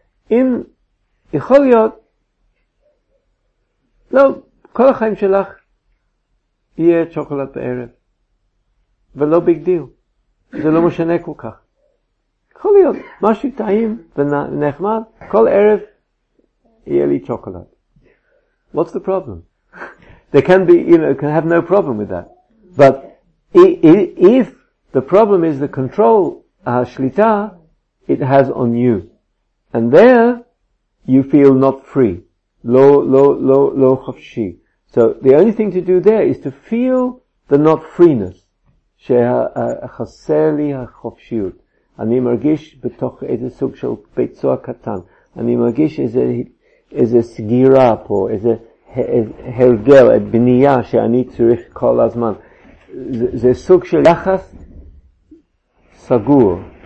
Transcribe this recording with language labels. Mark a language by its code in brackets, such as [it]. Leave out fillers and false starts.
[he] אם יכול להיות, לא, כל החיים שלך יהיה שוקולד בערב, ולא ביג דיל, זה לא משנה כל כך. יכול להיות, משהו טעים ונחמד, כל ערב, יהיה לי שוקולד. [en] What's the problem? There can be, you know, can have no problem with that. But if the problem is the control, [he] השליטה, [en] it has on you. And there, you feel not free. [he] לא חופשי. [en] So the only thing to do there is to feel the not freeness. [he] שחסר לי החופשיות. אני מרגיש בתוך איזה סוג של בית סוהר קטן. אני מרגיש איזה... איזה סגירה פה, איזה הרגל, את בנייה שאני צריך כל הזמן. זה סוג של יחס סגור.